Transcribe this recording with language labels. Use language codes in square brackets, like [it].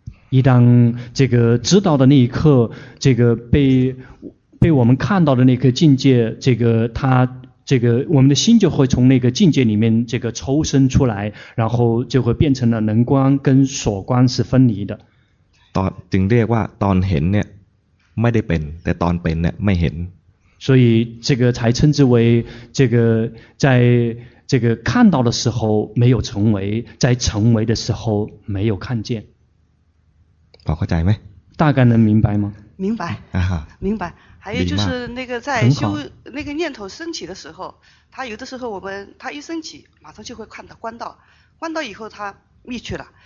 [zh] 一旦这个知道的那一刻，这个被我们看到的那颗境界，这个它这个我们的心就会从那个境界里面这个抽身出来，然后就会变成了能观跟所观是分离的。 [th] ตอนจึงเรียกว่าตอนเห็นเนี่ยไม่ได้เป็นแต่ตอนเป็นเนี่ยไม่เห็น。 [zh] 所以这个才称之为这个在这个看到的时候没有成为，在成为的时候没有看见。 [th] พอเข้าใจไหม？ [zh] 大概能明白吗？明白。啊哈。明白。还有就是那个在修那个念头升起的时候，他有的时候我们他一升起，马上就会看到观到，观到以后他灭去了。